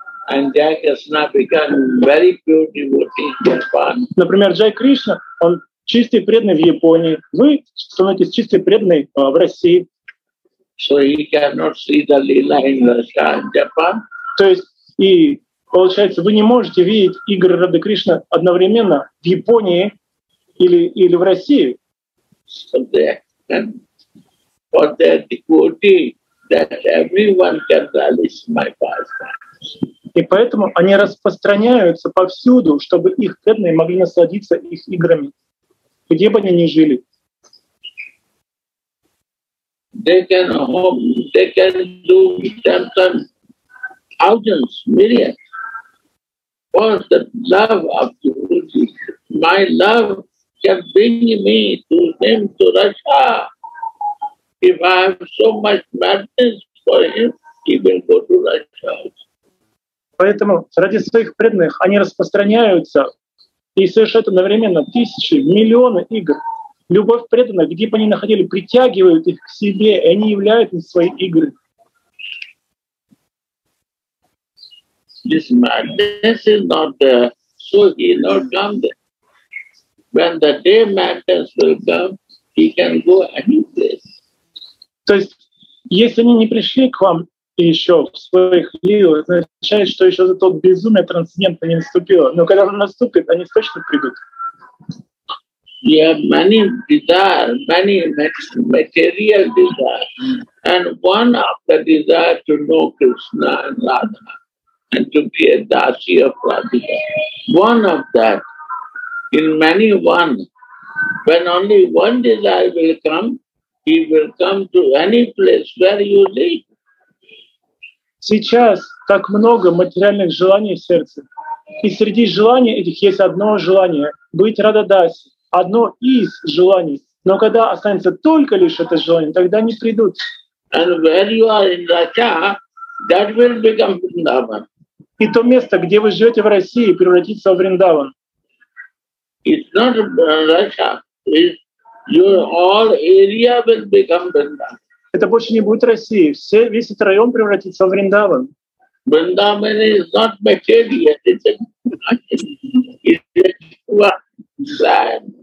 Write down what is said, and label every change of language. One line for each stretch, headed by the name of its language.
English: And Jai Krishna became very pure devotee in Japan.
Russian: Например, Джай Кришна, он чистый преданный в Японии. Вы становитесь чистый преданный в России.
English: So he cannot see the lila in Russia and Japan.
Russian: То есть, и получается, вы не можете видеть игры Рады Кришны одновременно в Японии или в России.
English: So they can, for their devotee, that everyone can realize my pastimes.
Russian: И поэтому они распространяются повсюду, чтобы их преданные могли насладиться их играми, где бы они ни жили.
English: They can hope, they can do sometimes thousands, millions for the love of the Guruji. My love can bring me to him, to Russia. If I have so much madness for him, he will go to Russia.
Russian: Поэтому ради своих преданных они распространяются и совершают одновременно тысячи, миллионы игр. Любовь преданных, где бы они находили, притягивают их к себе, и они являются свои игры.
English: This madness is not there, so he not come there. When the day madness will come, he can go any place.
Russian: То есть, если они не пришли к вам, и еще в своих лилах, означает, что еще за тот безумие трансцендентно не наступило. Но когда он наступит, они точно придут.
English: Yeah, many desire, many material desire. And one of the desire to know Krishna and Radha and to be a dasi of Radha. One of that, in many one, when only one desire will come, he will come to any place where you live.
Russian: Сейчас так много материальных желаний в сердце. И среди желаний этих есть одно желание — быть Рададаси. Одно из желаний. Но когда останется только лишь это желание, тогда они придут.
English: And where you are in Russia, that will become Vrindavan.
Russian: И то место, где вы живете в России, превратится в Вриндаван.
English: It's not Russia. It's your all area will become Vrindavan.
Russian: Это больше не будет России. Все, весь этот район превратится в Вриндаван.
English: Вриндаван is not material, it's a